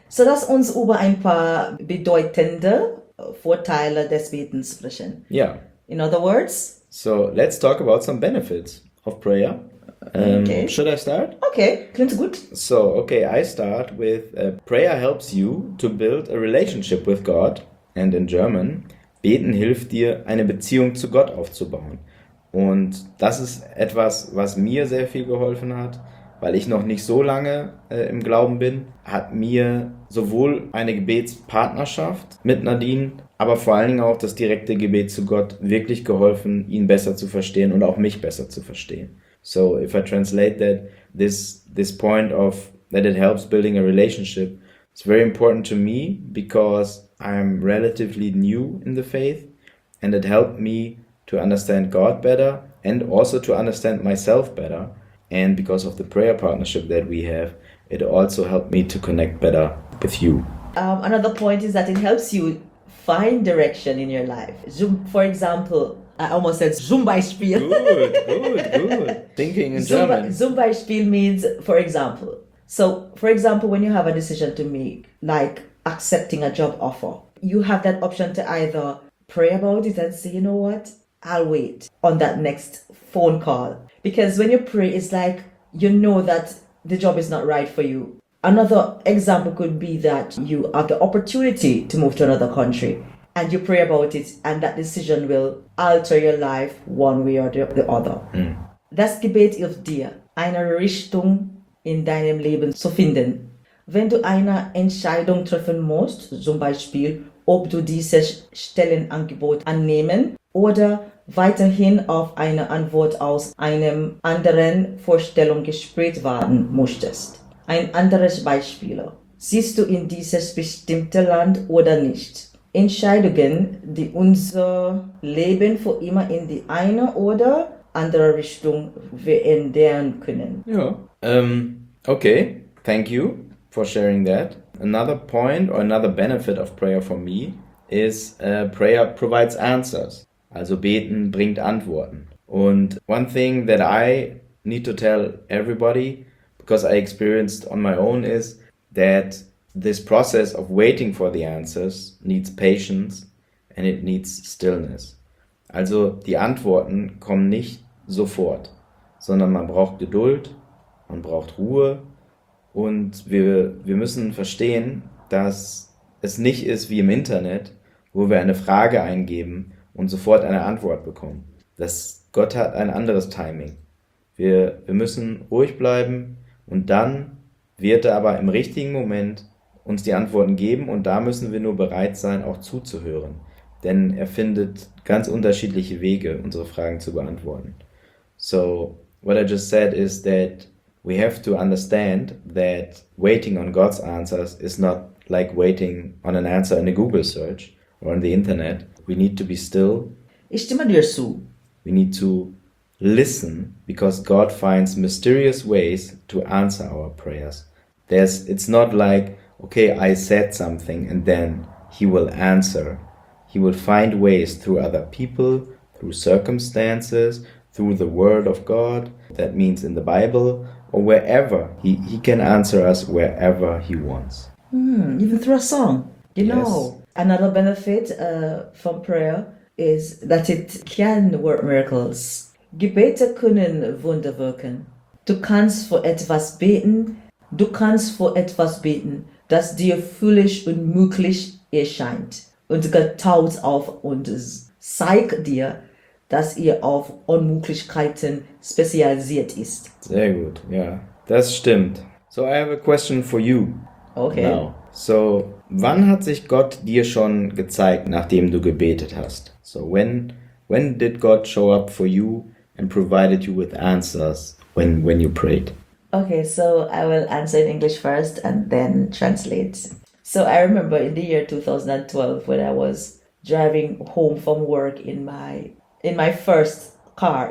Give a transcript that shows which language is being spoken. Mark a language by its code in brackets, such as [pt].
[de] So lass uns über ein paar bedeutende Vorteile des Betens sprechen. [en] Yeah. In other words, So let's talk about some benefits of prayer. Should I start? [de] okay, klingt gut. [en] So, okay, I start with prayer helps you to build a relationship with God. And in German, [de] beten hilft dir, eine Beziehung zu Gott aufzubauen. Und das ist etwas, was mir sehr viel geholfen hat, weil ich noch nicht so lange im Glauben bin. Hat mir sowohl eine Gebetspartnerschaft mit Nadine, aber vor allen Dingen auch das direkte Gebet zu Gott wirklich geholfen, ihn besser zu verstehen und auch mich besser zu verstehen. [en] So, if I translate that, this point of that it helps building a relationship, it's very important to me because I'm relatively new in the faith and it helped me to understand God better and also to understand myself better. And because of the prayer partnership that we have, it also helped me to connect better with you. Another point is that it helps you find direction in your life. Zoom, for example, I almost said [de] Zum Beispiel. [en] Good. Thinking in German. Zum Beispiel means for example. So, for example, when you have a decision to make, like accepting a job offer, you have that option to either pray about it and say, you know what, I'll wait on that next phone call. Because when you pray, it's like you know that the job is not right for you. Another example could be that you have the opportunity to move to another country and you pray about it, and that decision will alter your life one way or the other. [de] Das Gebet hilft dir, eine Richtung in deinem Leben zu finden. Wenn du eine Entscheidung treffen musst, zum Beispiel, ob du dieses Stellenangebot annehmen oder weiterhin auf eine Antwort aus einem anderen Vorstellungsgespräch warten musstest. Ein anderes Beispiel. Siehst du in dieses bestimmte Land oder nicht? Entscheidungen, die unser Leben für immer in die eine oder andere Richtung verändern können. [en] Ja, okay, thank you for sharing that. Another point or another benefit of prayer for me is prayer provides answers. [de] Also beten bringt Antworten. [en] Und one thing that I need to tell everybody, because I experienced on my own, is that this process of waiting for the answers needs patience and it needs stillness. [de] Also die Antworten kommen nicht sofort, sondern man braucht Geduld, man braucht Ruhe und wir müssen verstehen, dass es nicht ist wie im Internet, wo wir eine Frage eingeben und sofort eine Antwort bekommen. Dass Gott hat ein anderes Timing. Wir müssen ruhig bleiben und dann wird er aber im richtigen Moment uns die Antworten geben und da müssen wir nur bereit sein, auch zuzuhören. Denn er findet ganz unterschiedliche Wege, unsere Fragen zu beantworten. [en] So, what I just said is that we have to understand that waiting on God's answers is not like waiting on an answer in a Google search or on the internet. We need to be still. [de] Ich stimme dir zu. [en] We need to listen because God finds mysterious ways to answer our prayers. It's not like, okay, I said something and then he will answer. He will find ways through other people, through circumstances, through the word of God, that means in the Bible, or wherever. He can answer us wherever he wants. Even through a song, you know. Yes. Another benefit from prayer is that it can work miracles. [de] Gebete können Wunder wirken. Du kannst für etwas beten. Du kannst für etwas beten, das dir völlig unmöglich erscheint. Und Gott taut auf und zeigt dir, dass ihr auf Unmöglichkeiten spezialisiert ist. Sehr gut, ja. Das stimmt. [en] So, I have a question for you. Okay. Now. [de] So, wann hat sich Gott dir schon gezeigt, nachdem du gebetet hast? [en] So, when did God show up for you and provided you with answers when you prayed? Okay, so I will answer in English first and then translate. So I remember in the year 2012 when I was driving home from work in my first car.